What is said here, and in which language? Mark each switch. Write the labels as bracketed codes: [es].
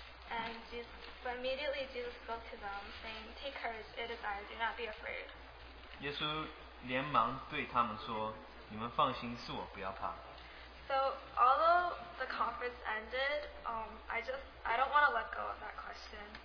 [en] And Jesus spoke to them, saying, "Take courage, it is I, do not be afraid." [zh] 耶稣连忙对他们说：“你们放心，是我，不要怕。” [en] So although the conference ended, I don't want to let go of that question.